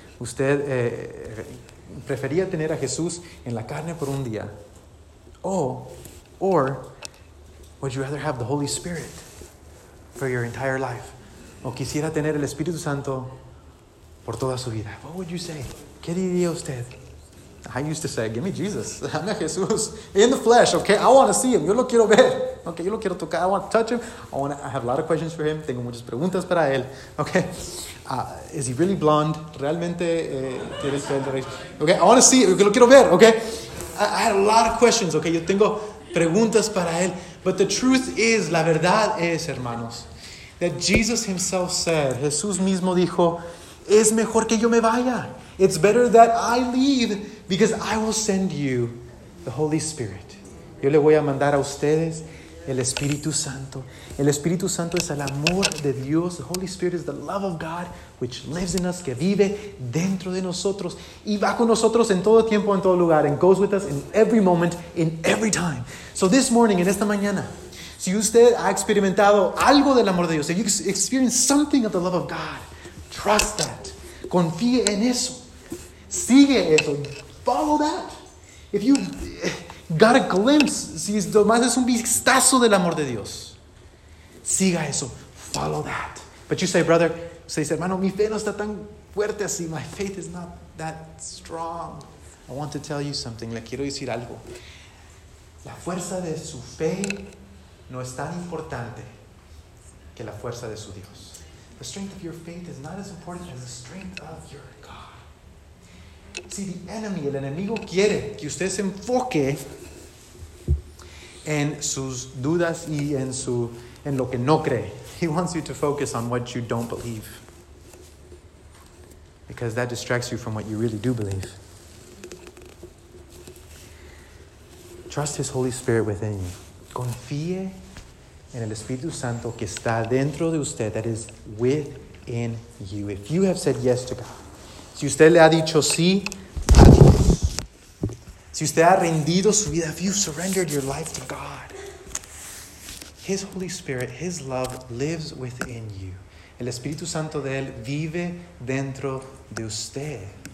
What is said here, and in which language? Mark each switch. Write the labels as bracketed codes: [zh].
[es] ¿Usted prefería tener a Jesús en la carne por un día? [en] Or would you rather have the Holy Spirit for your entire life? [es] ¿O quisiera tener el Espíritu Santo por toda su vida? [en] What would you say? [es] ¿Qué diría usted? [en] I used to say, give me Jesus. [es] Dame a Jesús [en] in the flesh, okay? I want to see him. [es] Yo lo quiero ver. [en] Okay, [es] yo lo quiero tocar. [en] I want to touch him. I have a lot of questions for him. [es] Tengo muchas preguntas para él. [en] Okay. Is he really blonde? [es] ¿Realmente quiere ser? Okay, [en] I want to see him. [es] Yo lo quiero ver, okay? [en] I had a lot of questions, okay? [es] Yo tengo preguntas para él. [en] But the truth is, [es] la verdad es, hermanos, [en] that Jesus himself said, [es] Jesús mismo dijo, es mejor que yo me vaya. [en] It's better that I leave because I will send you the Holy Spirit. [es] Yo le voy a mandar a ustedes el Espíritu Santo. El Espíritu Santo es el amor de Dios. [en] The Holy Spirit is the love of God which lives in us, [es] que vive dentro de nosotros y va con nosotros en todo tiempo, en todo lugar, [en] and goes with us in every moment, in every time. So this morning, [es] en esta mañana, si usted ha experimentado algo del amor de Dios, [en] if you experience something of the love of God, trust that. [es] Confíe en eso. Sigue eso. [en] Follow that. If you got a glimpse, [es] si es más es un vistazo del amor de Dios, siga eso. [en] Follow that. But you say, brother, [es] usted dice, hermano, mi fe no está tan fuerte así. [en] My faith is not that strong. I want to tell you something. [es] Le quiero decir algo. La fuerza de su fe no es tan importante que la fuerza de su Dios. [en] The strength of your faith is not as important as the strength of your God. [es] See, the enemy, el enemigo quiere que usted se enfoque en sus dudas y en lo que no cree. [en] He wants you to focus on what you don't believe. Because that distracts you from what you really do believe. Trust his Holy Spirit within you. [es] Confíe en el Espíritu Santo que está dentro de usted, [en] that is within you. If you have said yes to God, [es] si usted le ha dicho sí a Dios, si usted ha rendido su vida, [en] if you surrendered your life to God, his Holy Spirit, his love lives within you. [es] El Espíritu Santo de él vive dentro de usted.